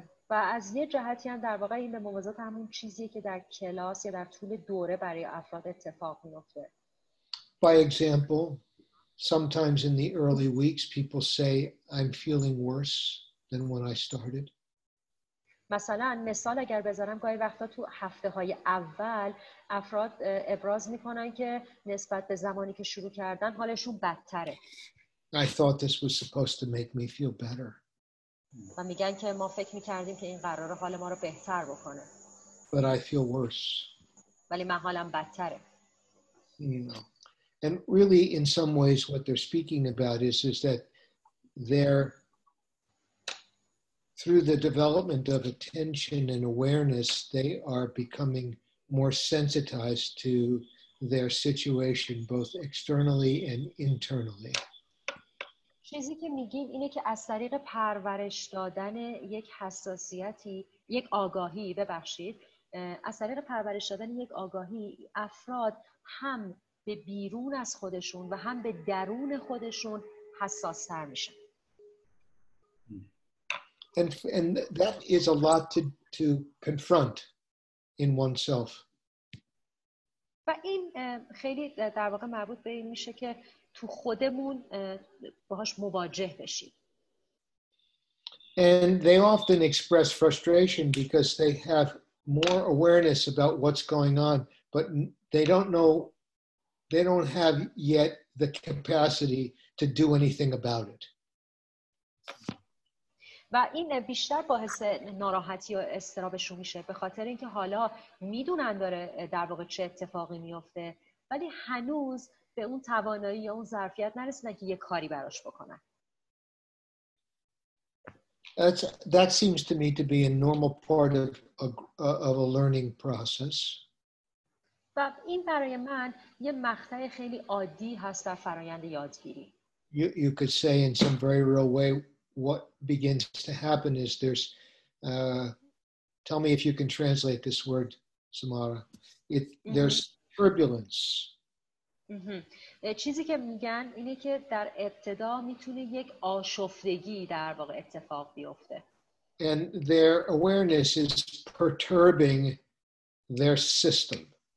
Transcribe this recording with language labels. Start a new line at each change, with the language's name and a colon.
Persian: و از یه جهتی هم در واقع این به موازات همون چیزیه که در کلاس یا در طول دوره برای افراد اتفاق میفته.
English: By example, sometimes in the early weeks people say I'm feeling worse than when I started.
Persian: مثلا مثال اگر بذارم گاهی وقتا تو هفته های اول افراد ابراز میکنن که نسبت به زمانی که شروع کردن حالشون بدتره.
English: I thought this was supposed to make me feel better.
Persian: و میگن که ما فکر میکردیم که این قرار حال ما رو بهتر بکنه.
English: But I feel worse.
Persian: ولی من حالم بدتره.
English: You know. And really, in some ways, what they're speaking about is that they're, through the development of attention and awareness, they are becoming more sensitized to their situation, both externally and internally.
Persian: چیزی که میگیم اینه که از طریق پرورش دادن یک حساسیتی، یک آگاهی، ببخشید، از طریق پرورش دادن یک آگاهی، افراد هم به بیرون از خودشون و هم به درون خودشون حساس‌تر میشن.
English: And that is a lot to confront in oneself.
Persian: و این خیلی در واقع مربوط به این میشه که تو خودمون باهاش مواجه بشید.
English: And they often express frustration because they have more awareness about what's going on, but they don't have yet the capacity to do anything about it.
Persian: و این بیشتر باعث ناراحتی و استرابشون میشه به خاطر اینکه حالا میدونن داره در واقع چه اتفاقی میفته ولی هنوز به اون توانایی یا اون ظرفیت نرسیدن که یه کاری براش بکنن.
English: That seems to me to be a normal part of a learning process.
Persian: و این برای من یه مقطع خیلی عادی هست در فرایند یادگیری.
English: You could say in some very real way what begins to happen is there's tell me if you can translate this word, Samara. There's turbulence.
Persian: چیزی که میگن اینه که در ابتدا میتونه یک آشفتگی در واقع اتفاق بیفته.
English: And their awareness is perturbing their system.